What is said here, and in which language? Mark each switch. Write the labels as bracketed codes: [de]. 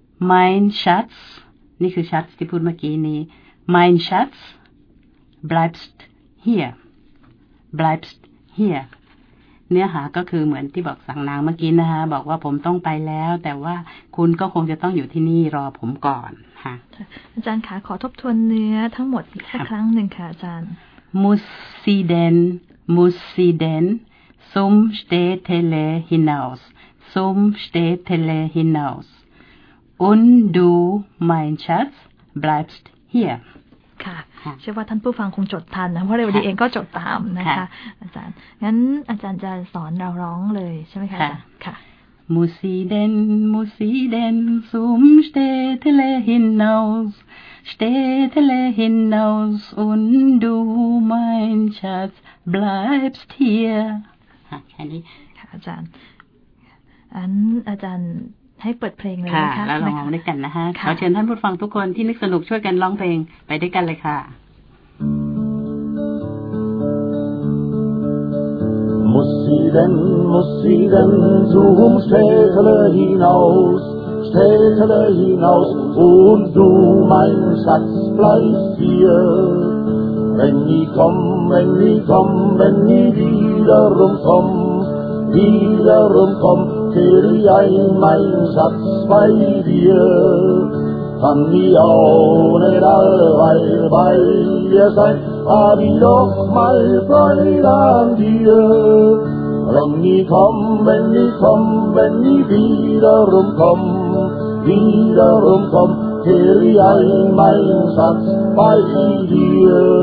[de] mein Schatz [th] นี่คือ Schatz ที่พูดเมื่อกี้นี้ [de] mein Schatz bleibst hier bleibst here [th] เนื้อหาก็คือเหมือนที่บอกสังนางเมื่อกี้นะคะบอกว่าผมต้องไปแล้วแต่ว่าคุณก็คงจะต้องอยู่ที่นี่รอผมก่อนค่ะ อาจารย์คะขอทบทวนเนื้อทั้งหมดอีกสักครั้งหนึ่งค่ะอาจารย์ [de] muss sie denn muss sie denn zum Städtele hinaus zum Städtele hinaus und du mein Schatz bleibst hier [th] เชื่อว่าท่านผู้ฟังคงจดทันนะเพราะเรวดีเองก็จดตามนะคะอาจารย์งั้นอาจารย์จะสอนเราร้องเลยใช่ไหมคะ ค่ะมูซีเดนมูซีเดนซุมสเตเทเลฮินเนาส์สเตเทเลฮินเนาส์อุนดูมายน์ชัตส์บลายบ์สเทียร์แค่นี้ค่ะอาจารย์งั้นอาจารย์ให้เปิดเพลงเลยนะคะ แล้วลองร้องด้วยกันนะคะขอเชิญท่านผู้ฟังทุกคนที่นึกสนุกช่วยกันร้องเพลงไปด้วยกันเลยค่ะ [de] มุสซีเดนมุสซีเดนซูมสเตเทเลฮินาวส์สเตเทเลฮินาวส์ und du mein Schatz bleibst hier wenn ich komm wenn ich komm wenn ich wiederum kommWiederum komm, kehr ich mein Schatz bei dir. Kann ich auch nicht allweil bei dir sein, hab ich doch mal Freude an dir. Wenn ich komm, wenn ich komm, wenn ich wiederum komm, wiederum komm, kehr ich mein Schatz bei dir.